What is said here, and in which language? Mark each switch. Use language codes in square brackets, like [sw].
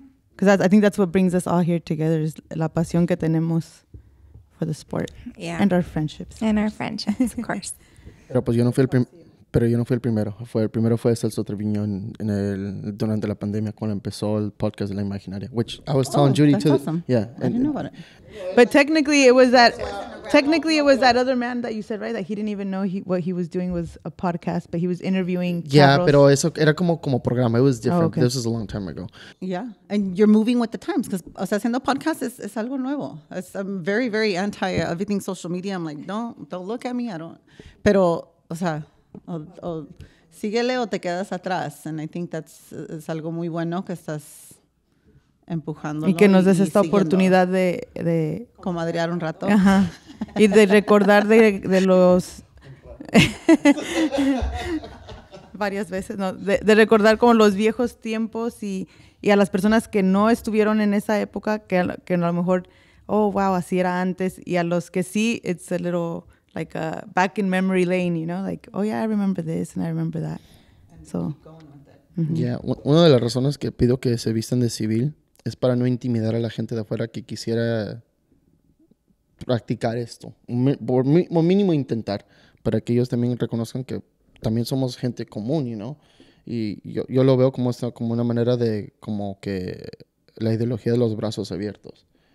[en] Because I think that's what brings us all here together is [es] la pasión que tenemos [en] for the sport. Yeah. And our friendships. And our friendships, of course. [es] Pero pues yo no fui el primero. El primero fue Celso Treviño durante la pandemia cuando empezó el podcast de la imaginaria. [en] Which I was telling Judy that's too. Awesome. Yeah. But technically it was that other man that you said, right? That he didn't even know what he was doing was a podcast, but he was interviewing. Yeah, Charros. [es] Pero eso era como programa. [en] It was different. Oh, okay. This was a long time ago. Yeah, and you're moving with the times because, [es] o sea, haciendo podcast es algo nuevo. [en] I'm very, very anti everything social media. I'm like, don't look at me. I don't. [es] Pero, o sea, o síguele o te quedas atrás. [en] And I think that's [es] es algo muy bueno que estás... empujándolo y que nos des esta siguiendo. Oportunidad de comadrear un rato. Ajá. Y de recordar de los varias veces, ¿no? De recordar como los viejos tiempos y a las personas que no estuvieron en esa época, que a lo mejor, oh, wow, así era antes. Y a los que sí, [en] it's a little like a back in memory lane, you know? Like, oh, yeah, I remember this and I remember that. So, mm-hmm. [es] Yeah, una de las razones que pido que se vistan de civil es para no intimidar a la gente de afuera que quisiera practicar esto. Por mínimo intentar. Para que ellos también reconozcan que también somos gente común, [en] you know? [es] Y yo lo veo como una manera de como que la ideología de los brazos abiertos.